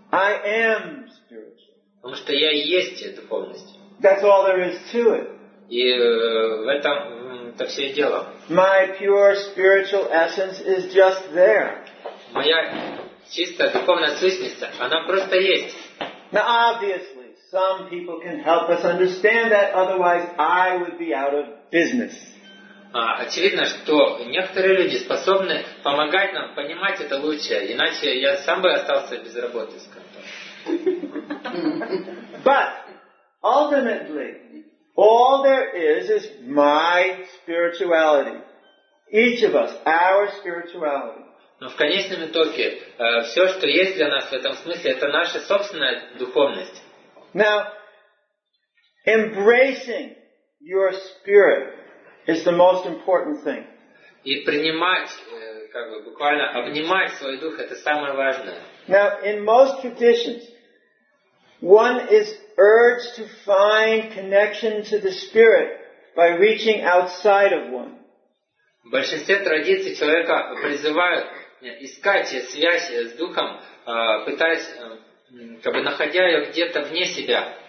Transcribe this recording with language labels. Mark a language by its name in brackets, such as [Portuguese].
[English] I am spiritual. [Russian] Потому что я и есть духовность. [English] That's all there is to it. [Russian] И в этом это все и дело. [English] My pure spiritual essence is just there. [Russian] Моя чистая духовная сущность, она просто есть. [English] Now, obviously, some people can help us understand that, otherwise I would be out of business. [Russian] Очевидно, что некоторые люди способны помогать нам понимать это лучше, иначе я сам бы остался без работы, скажем так. [English] But ultimately, all there is my spirituality. Each of us, our spirituality. [Russian] Но в конечном итоге, все, что есть для нас в этом смысле, это наша собственная духовность. [English] Now, embracing your spirit is the most important thing. [Russian] И принимать, как бы буквально обнимать свой дух, это самое важное. [English] Now, in most traditions, one is urged to find connection to the spirit by reaching outside of one. [Russian] В большинстве традиций человека призывают искать связь с духом, пытаясь, как бы находя ее где-то вне себя.